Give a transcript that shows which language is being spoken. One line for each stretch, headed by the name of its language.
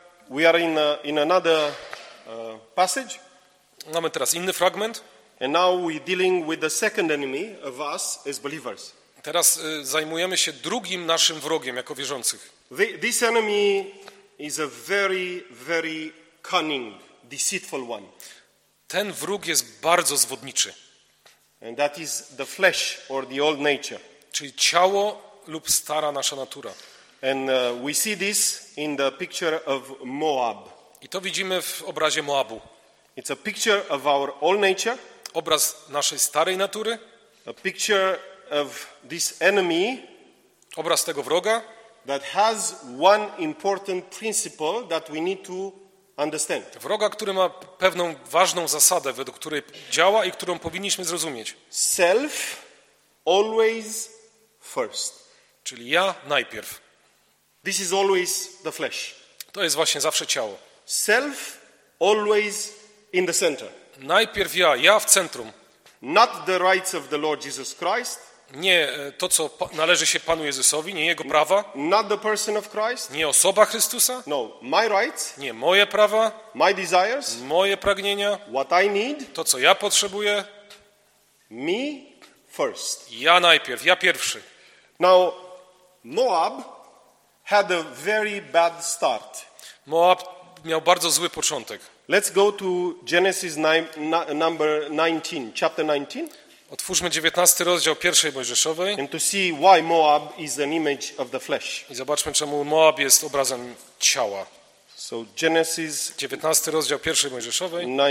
English: We are in another passage.
Polish: Mamy teraz inny fragment.
English: And now we're dealing with the second enemy of us as believers.
Polish: Teraz zajmujemy się drugim naszym wrogiem jako wierzących.
English: This enemy is a very, very cunning, deceitful one.
Polish: Ten wróg jest bardzo zwodniczy.
English: And that is the flesh or the old nature.
Polish: Czyli ciało lub stara nasza natura.
English: And we see this in the picture of Moab.
Polish: I to widzimy w obrazie Moabu.
English: It's a picture of our old nature.
Polish: Obraz naszej starej natury.
English: A picture of this enemy.
Polish: Obraz tego wroga.
English: That has one important principle that we need to understand.
Polish: Wroga, który ma pewną ważną zasadę, według której działa i którą powinniśmy zrozumieć.
English: Self always first.
Polish: Czyli ja najpierw.
English: This is always the flesh.
Polish: To jest właśnie zawsze ciało.
English: Self always in the center.
Polish: Najpierw ja w centrum.
English: Not the rights of the Lord Jesus Christ.
Polish: Nie to, co należy się Panu Jezusowi, nie jego prawa.
English: Not the person of Christ.
Polish: Nie osoba Chrystusa.
English: No, my rights.
Polish: Nie moje prawa.
English: My desires.
Polish: Moje pragnienia.
English: What I need.
Polish: To, co ja potrzebuję.
English: Me first.
Polish: Ja najpierw, ja pierwszy.
English: Now, Moab had a very bad start.
Polish: Moab miał bardzo zły początek.
English: Let's go to Genesis number 19, chapter 19.
Polish: Otwórzmy 19 rozdział pierwszej Mojżeszowej.
English: And to see why Moab is an image of the flesh.
Polish: I zobaczmy, czemu Moab jest obrazem ciała.
English: So Genesis
Polish: 19 rozdział pierwszej Mojżeszowej.